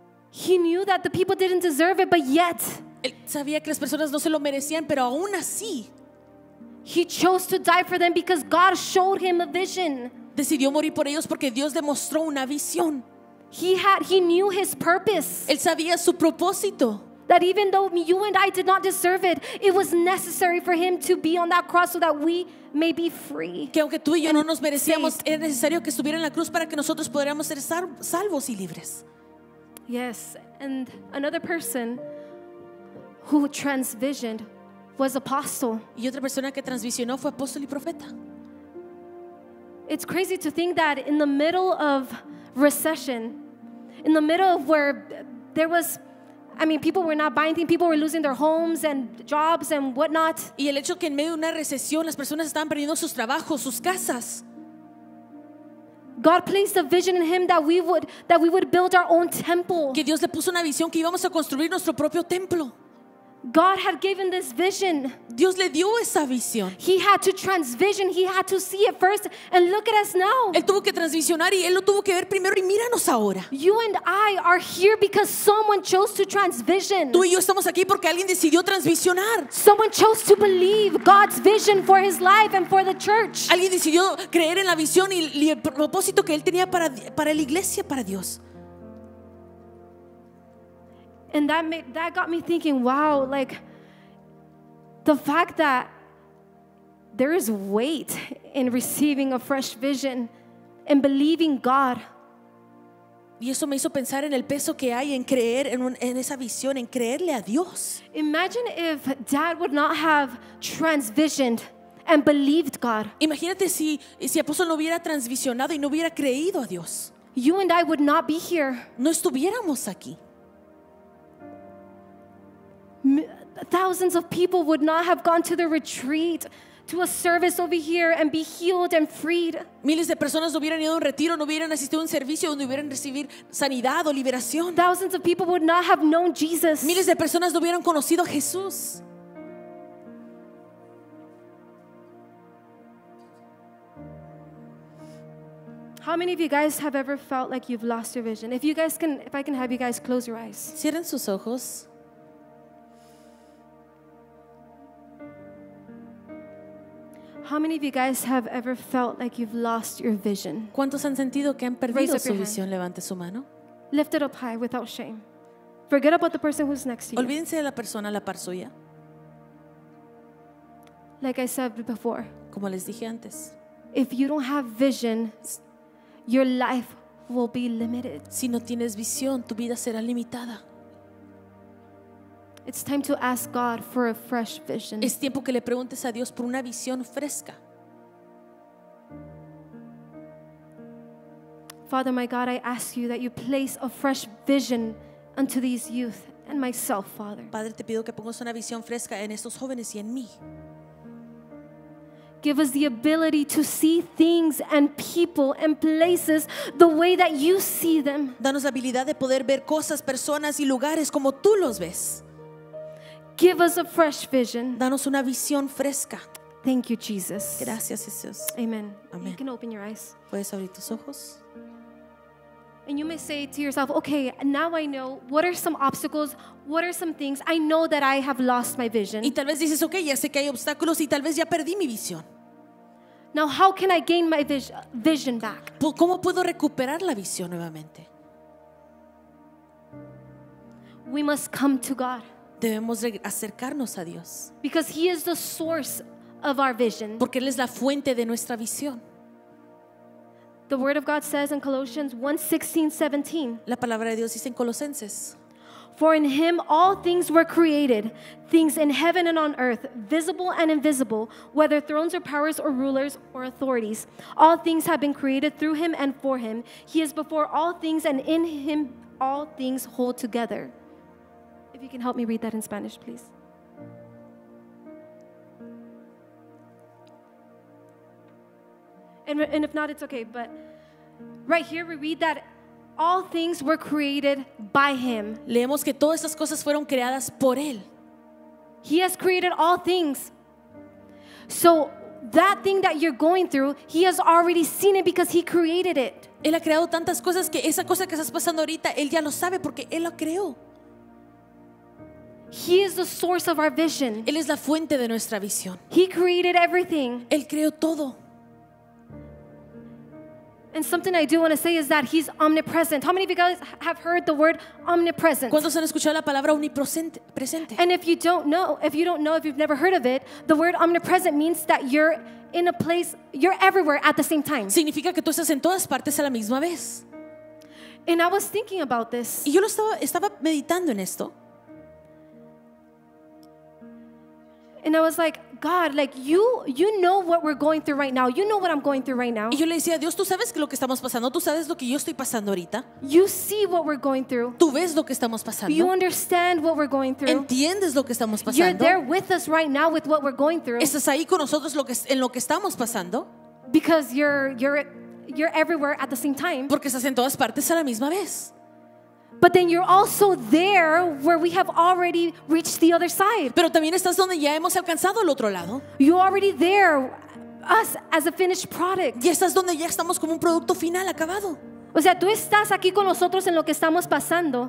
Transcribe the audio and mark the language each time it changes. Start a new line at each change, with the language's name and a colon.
English: He knew that the people didn't deserve it, but yet.
Spanish: Él sabía que las personas no se lo merecían, pero aún así.
English: He chose to die for them because God showed him a vision.
Spanish: Decidió morir por ellos porque Dios demostró una visión.
English: He knew his purpose.
Spanish: Él sabía su propósito.
English: That even though you and I did not deserve it, it was necessary for him to be on that cross so that we may be free.
Spanish: Que aunque tú y yo no nos merecíamos, era necesario que estuviera en la cruz para que nosotros podríamos ser salvos y libres.
English: Yes, and another person who transvisioned was apostle.
Spanish: Y otra persona que transvisionó fue apóstol y profeta.
English: It's crazy to think that in the middle of recession, in the middle of where there was, I mean, people were not buying things. People were losing their homes and jobs and whatnot.
Spanish: Y el hecho que en medio de una recesión las personas estaban perdiendo sus trabajos, sus casas.
English: God placed a vision in him that we would build our own temple.
Spanish: Que Dios le puso una visión que íbamos a construir nuestro propio templo.
English: God had given this vision.
Spanish: Dios le dio esa visión.
English: He had to transvision. He had to see it first and look at us now.
Spanish: Él tuvo que transvisionar y él lo tuvo que ver primero y míranos ahora.
English: You and I are here because someone chose to transvision.
Spanish: Tú y yo estamos aquí porque alguien decidió transvisionar.
English: Someone chose to believe God's vision for his life and for the church.
Spanish: Alguien decidió creer en la visión y el propósito que él tenía para la iglesia, para Dios.
English: And that got me thinking, wow, like the fact that there is weight in receiving a fresh vision and believing God.
Spanish: Y eso me hizo pensar en el peso que hay en creer en esa visión, en creerle a Dios.
English: Imagine if Dad would not have transvisioned and believed God.
Spanish: Imagínate si apóstol no hubiera transvisionado y no hubiera creído a Dios.
English: You and I would not be here.
Spanish: No estuviéramos aquí.
English: Thousands of people would not have gone to the retreat, to a service over here, and be healed and freed.
Spanish: Miles de personas no hubieran ido a un retiro, no hubieran asistido a un servicio donde hubieran recibido sanidad o liberación.
English: Thousands of people would not have known Jesus.
Spanish: Miles de personas no hubieran conocido a Jesús.
English: How many of you guys have ever felt like you've lost your vision? If you guys can, if I can have you guys close your eyes.
Spanish: Cierren sus ojos.
English: How many of you guys have ever felt like you've lost your vision?
Spanish: ¿Cuántos han sentido que han perdido su visión? Levante su mano.
English: Lift it up high without shame. Forget about the person who's next to you.
Spanish: Olvídense de la persona a la par suya.
English: Like I said before.
Spanish: Como les dije antes.
English: If you don't have vision, your life will be limited.
Spanish: Si no tienes visión, tu vida será limitada.
English: It's time to ask God for a fresh vision.
Spanish: Es tiempo que le preguntes a Dios por una visión fresca.
English: Father, my God, I ask you that you place a fresh vision unto these youth and myself, Father.
Spanish: Padre, te pido que pongas una visión fresca en estos jóvenes y en mí.
English: Give us the ability to see things and people and places the way that you see them.
Spanish: Danos la habilidad de poder ver cosas, personas y lugares como tú los ves.
English: Give us a fresh vision.
Spanish: Danos una visión fresca.
English: Thank you, Jesus.
Spanish: Gracias, Jesús.
English: Amen. Amen. You can open your eyes.
Spanish: Puedes abrir tus ojos.
English: And you may say to yourself, okay, now I know, what are some obstacles? What are some things? I know that I have lost my vision.
Spanish: Y tal vez dices, okay, ya sé que hay obstáculos y tal vez ya perdí mi visión.
English: Now, how can I gain my vision back?
Spanish: ¿Cómo puedo recuperar la visión nuevamente?
English: We must come to God.
Spanish: Debemos acercarnos a Dios.
English: Because He is the source of our vision.
Spanish: Porque Él es la fuente de nuestra visión.
English: The word of God says in Colossians 1:16-17.
Spanish: La palabra de Dios dice en Colosenses.
English: For in him all things were created, things in heaven and on earth, visible and invisible, whether thrones or powers or rulers or authorities. All things have been created through him and for him. He is before all things and in him all things hold together. If you can help me read that in Spanish, please. And if not, it's okay, but right here we read that all things were created by him.
Spanish: Leemos que todas estas cosas fueron creadas por él.
English: He has created all things. So that thing that you're going through, he has already seen it because he created it.
Spanish: Él ha creado tantas cosas que esa cosa que estás pasando ahorita, él ya lo sabe porque él la creó.
English: He is the source of our vision.
Spanish: Él es la fuente de nuestra visión.
English: He created everything.
Spanish: Él creó todo.
English: And something I do want to say is that he's omnipresent. How many of you guys have heard the word omnipresent?
Spanish: ¿Cuántos han escuchado la palabra omnipresente?
English: And if you don't know, if you've never heard of it, the word omnipresent means that you're in a place, you're everywhere at the same time.
Spanish: Significa que tú estás en todas partes a la misma vez.
English: And I was thinking about this.
Spanish: Y yo estaba meditando en esto.
English: And I was like, God, like you know what we're going through right now. You know what I'm going through right now.
Spanish: Y yo le decía, Dios, tú sabes lo que estamos pasando. Tú sabes lo que yo estoy pasando ahorita.
English: You see what we're going through.
Spanish: Tú ves lo que estamos pasando.
English: You understand what we're going through.
Spanish: Entiendes lo que estamos pasando.
English: You're there with us right now with what we're going through.
Spanish: Estás ahí con nosotros en lo que estamos pasando.
English: Because you're everywhere at the same time.
Spanish: Porque estás en todas partes a la misma vez.
English: But then you're also there where we have already reached the other side.
Spanish: Pero también estás donde ya hemos alcanzado el otro lado.
English: You're already there, us as a finished product.
Spanish: Y estás donde ya estamos como un producto final acabado. O sea, tú estás aquí con nosotros en lo que estamos pasando.